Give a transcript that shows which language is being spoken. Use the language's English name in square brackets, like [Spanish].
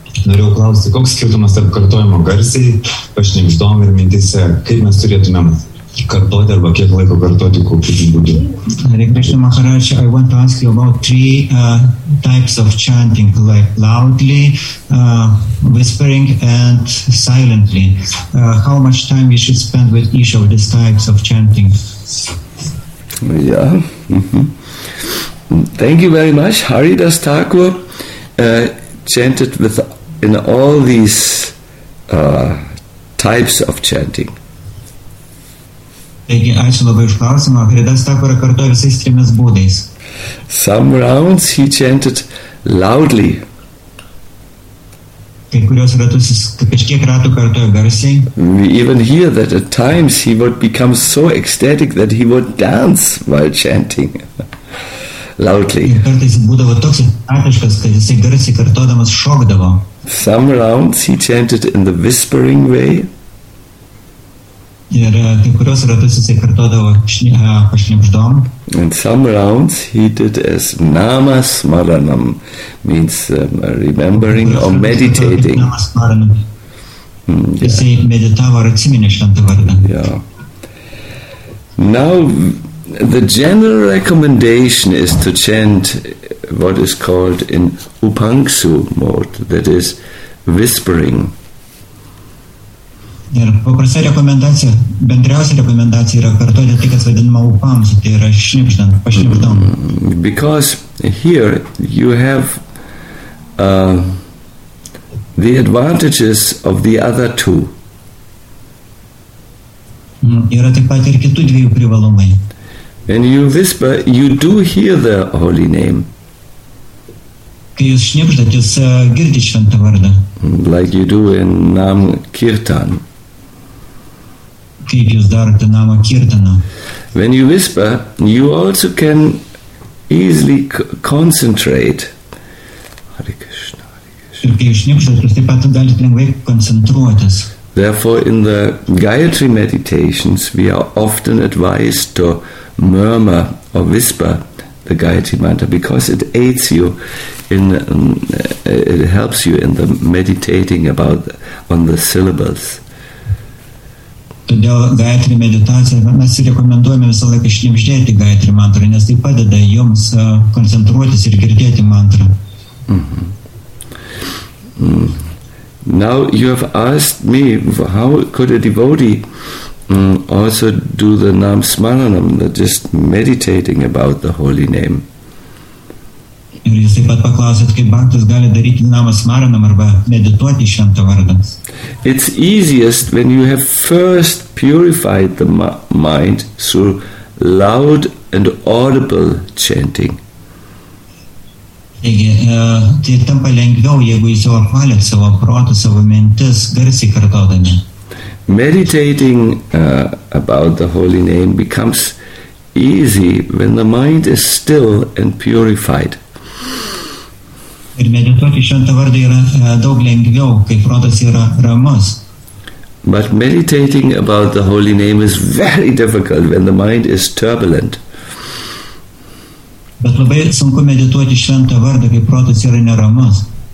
[Lithuanian] Norėjau klausti, koks skirtumas tarp kartojimo garsiai, pašnibždom ir mintise, kaip mes turėtumėm kartoti arba kiek laiko kartoti, kokiu būdu. [English] Hare Krishna Maharaj, I want to ask you about three types of chanting, like loudly, whispering and silently. How much time we should spend with each of these types of chanting? Yeah. Thank you very much. Haridas Thakur chanted with in all these types of chanting. [Lithuanian] Taigi, ačiū labai už klausimą. Haridas Thakur kartojo visais trimis būdais. [English] Some rounds he chanted loudly. [Lithuanian] Kai kurios ratus, kažkiek ratų kartojo garsiai. [English] We even hear that at times he would become so ecstatic that he would dance while chanting. Loudly. Some rounds he chanted in the whispering way. [Lithuanian] Ir kai kurios ratus jisai kartuodavo pašnibždom. [English] And some rounds he did as namas maranam, means remembering or meditating. [Sanskrit] Namas maranam. [Lithuanian] Jisai meditavo ar atsiminė šventą vardą. [English] Now, the general recommendation is to chant what is called in Upangsu mode, that is, whispering. [Lithuanian] Ir paprasta rekomendacija, bendriausia rekomendacija yra kartuoti tai, kas vadinama Upangsu, tai yra šnipždant, pašnipždant. [English] Because here you have the advantages of the other two. [Lithuanian] Yra taip pat ir kitų dviejų privalumai. [English] When you whisper, you do hear the holy name. [Lithuanian] Kai jūs šnipždat, jūs girdi šventą vardą. [English] Like you do in Nam Kirtan. [Lithuanian] Kaip jūs darote Namo Kirtaną. [English] When you whisper, you also can easily concentrate. [Sanskrit] Hare Krishna, Hare Krishna. [Lithuanian] Ir kai jūs šnipždat, jūs taip pat galite lengvai koncentruotis. [English] Therefore, in the Gayatri meditations, we are often advised to murmur or whisper the Gayatri mantra because it aids you in, it helps you in the meditating about on the syllables. [Lithuanian] Todėl Gayatri meditacija, mes rekomenduojame visą laiką šnipždėti Gayatri mantrą, nes tai padeda jums koncentruotis ir girdėti mantrą. [English] Now you have asked me how could a devotee also do the Nam Smaranam, the just meditating about the holy name. [Lithuanian] Ir jūs taip pat paklausėt, kaip bhaktas gali daryti Nam Smaranam arba medituoti šventą vardą. [English] It's easiest when you have first purified the mind through loud and audible chanting. [Lithuanian] Taigi, tai tampa lengviau, jeigu jūs jau apvalėt savo protą, savo mintis, garsiai kartodami. [English] Meditating about the holy name becomes easy when the mind is still and purified. [Lithuanian] Ir medituoti šventą vardą yra daug lengviau, kai protas yra ramus. [English] But meditating about the holy name is very difficult when the mind is turbulent. [Lithuanian] Bet labai sunku medituoti šventą vardą, kai protas yra neramus.